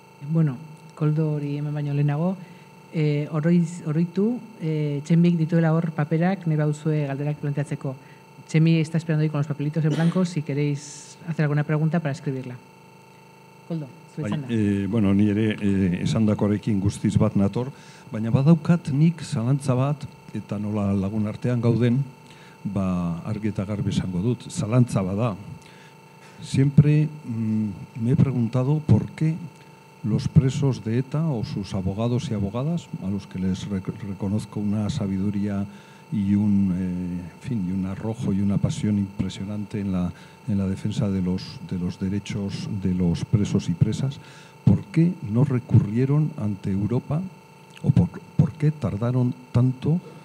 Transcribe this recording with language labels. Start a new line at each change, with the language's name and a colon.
Basque: Bueno, Koldo hori hemen baino lehenago, Txemik dituela hor paperak, nahi bauzue galderak planteatzeko.
Spanish: Txemi está esperando hoy con los papelitos en blanco, si queréis hacer alguna pregunta para escribirla.
Basque: Koldo. Ni ere esandakorekin guztiz bat nator, baina badaukat nik zalantza bat, eta nola lagun artean gauden, argi eta garbi esango dut, zalantza bada.
Spanish: Siempre me he preguntado por qué los presos de ETA o sus abogados y abogadas, a los que les reconozco una sabiduría y un arrojo y una pasión impresionante en la defensa de los derechos de los presos y presas, ¿por qué no recurrieron ante Europa o por qué tardaron tanto